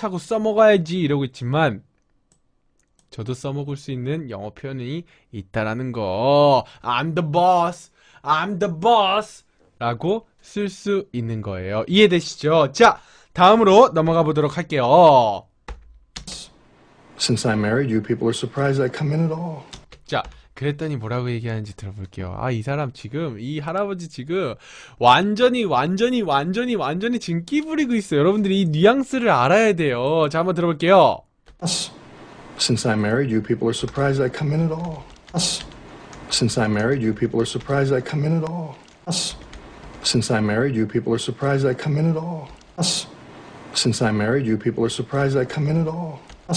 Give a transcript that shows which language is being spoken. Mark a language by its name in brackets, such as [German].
[Korean] 하고 써먹어야지 이러고 있지만 저도 써먹을 수 있는 영어 표현이 있다라는 거. [English] I'm the boss. I'm the boss [Korean] 라고 쓸 수 있는 거예요. 이해되시죠? 자, 다음으로 넘어가 보도록 할게요. [English] Since I married you, people are surprised I come in at all. [Korean] 자, 그랬더니 뭐라고 얘기하는지 들어볼게요. 아, 이 사람 지금, 이 할아버지 지금 완전히 지금 끼부리고 있어요. 여러분들이 이 뉘앙스를 알아야 돼요. 자, 한번 들어볼게요. [English] Since I married you, people are surprised I come in at all. Since I married you, people are surprised I come in at all. Since I married you, people are surprised I come in at all. Since I married you, people are surprised I come in at all.